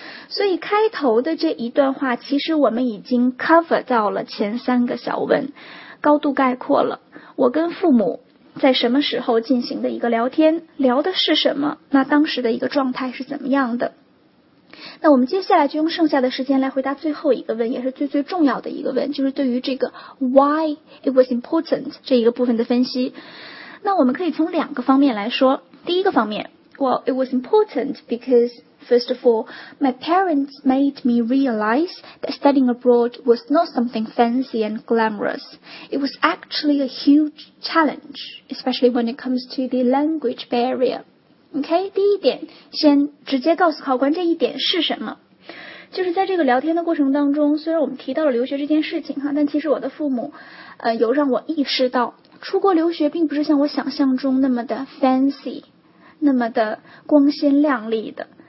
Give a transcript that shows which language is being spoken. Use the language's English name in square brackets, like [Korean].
[Chinese] 所以开头的这一段话其实我们已经 cover 到了前三个小问，高度概括了我跟父母在什么时候进行的一个聊天，聊的是什么，那当时的一个状态是怎么样的。那我们接下来就用剩下的时间来回答最后一个问，也是最最重要的一个问，就是对于这个 [English] why it was important [Chinese] 这一个部分的分析。那我们可以从两个方面来说。第一个方面， [English] Well it was important because first of all my parents made me realize that studying abroad was not something fancy and glamorous. It was actually a huge challenge, especially when it comes to the language barrier. [Chinese] OK， 第一点先直接告诉考官这一点是什么，就是在这个聊天的过程当中，虽然我们提到了留学这件事情哈，但其实我的父母有让我意识到出国留学并不是像我想象中那么的 fancy， 那么的光鲜亮丽的。